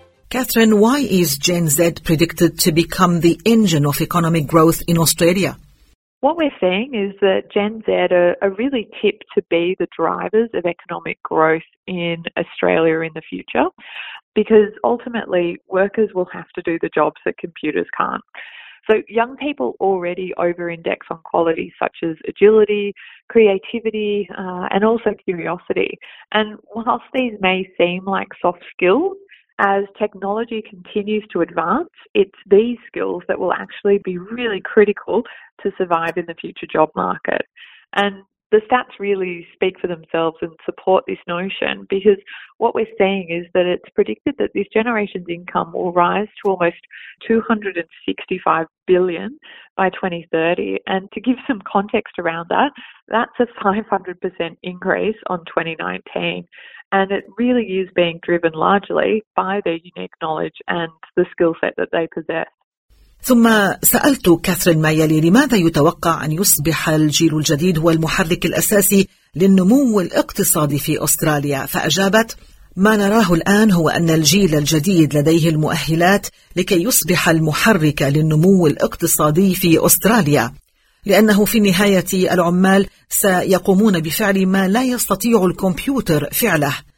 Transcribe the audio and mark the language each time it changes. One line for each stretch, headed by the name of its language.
English: Catherine, why is Gen Z predicted to become the engine of economic growth in Australia? What we're seeing is that Gen Z are really tipped to be the drivers of economic growth in Australia in the future, because ultimately workers will have to do the jobs that computers can't. So young people already over-index on qualities such as agility, creativity, and also curiosity. And whilst these may seem like soft skills, as technology continues to advance, it's these skills that will actually be really critical to survive in the future job market. And the stats really speak for themselves and support this notion because what we're seeing is that it's predicted that this generation's income will rise to almost $265 billion by 2030. And to give some context around that, that's a 500% increase on 2019. And it really is being driven largely by their unique knowledge and the skill set that they possess.
Arabic: ثم سألت كاثرين ما يلي لماذا يتوقع أن يصبح الجيل الجديد هو المحرك الأساسي للنمو الاقتصادي في أستراليا فأجابت ما نراه الآن هو أن الجيل الجديد لديه المؤهلات لكي يصبح المحرك للنمو الاقتصادي في أستراليا لأنه في نهاية العمال سيقومون بفعل ما لا يستطيع الكمبيوتر فعله